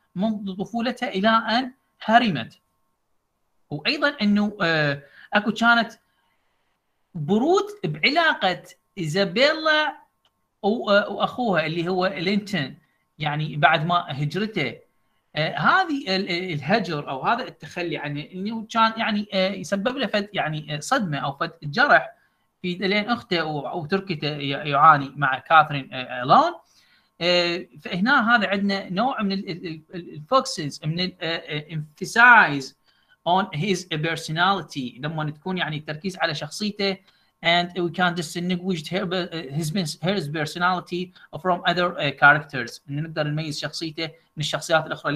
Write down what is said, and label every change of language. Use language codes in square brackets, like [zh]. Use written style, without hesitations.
[ar] منذ طفولتها إلى أن هرمت. وأيضا أنه أكو كانت برود بعلاقة إيزابيلا وأخوها اللي هو لينتون، يعني بعد ما هجرته هذه الهجر أو هذا التخلي عن أنه كان يعني يسبب له فد يعني صدمة أو فد جرح في لين أخته أو تركته يعاني مع كاثرين لون. فهنا هذا عندنا نوع من الفوكسز من الانفسايز [en] on his personality، [ar] لما تكون يعني التركيز على شخصيته. [en] And we can distinguish his personality from other characters. [ar] إن نقدر نميز شخصيته من الشخصيات الأخرى.